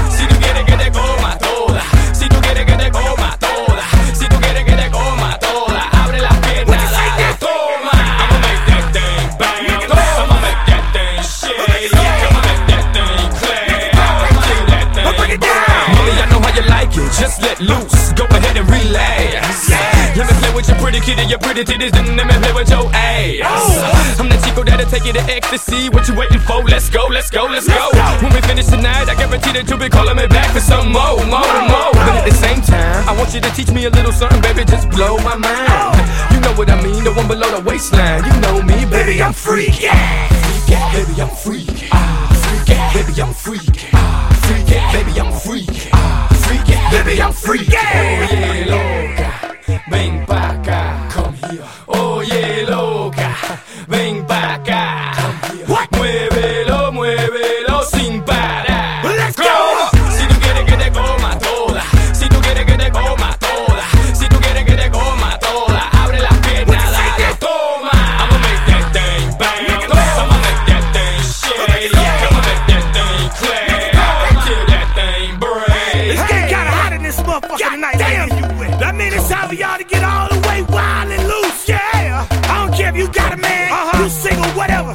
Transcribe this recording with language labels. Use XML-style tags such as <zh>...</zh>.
<es>Si tú quieres que te coma toda, si tú quieres que te coma toda, si tú quieres que te coma toda, abre las piernas, dale, toma.</es> <en>I'ma make that thing bang, I'ma make that thing shake, I'ma make that thing clap, I'ma make that thing bang. Molly, I know how you like it, just let loose, go ahead and relax. Let me play with your pretty kitty, your pretty titties, then let me play with your ass. I'm the chico that'll take you to ecstasy. What you waiting for? Let's go, let's go, let's go. When we finish tonight, I guarantee that you'll be calling me back for some more, more, more. But at the same time, I want you to teach me a little something, baby, just blow my mind. You know what I mean, the one below the waistline. You know me, baby, I'm freak, yeah. Baby, I'm freak, yeah. Baby, I'm freak, yeah. Baby, I'm freak, yeah. Baby, I'm freak, yeah. Oh, yeah,</en> <es>loca. Ven pa' acá.</es> <en>Come here.</en> <es>Oye, loca, ven pa' acá. Muévelo, muévelo sin parar.</es> <en>Let's go.</en> <es>Si tú quieres que te coma toda, si tú quieres que te coma toda, si tú quieres que te coma toda, abre las piernas, dale, toma.</es> <en>I'ma make that thing bang, I'ma make that thing shake, I'ma make that thing clap, I'ma make that thing break. This game got hot in this motherfucker tonight. Damn. That means it's time for y'all to get all the way wild and loose. Yeah. I don't care if you got a man, you single, whatever.</en>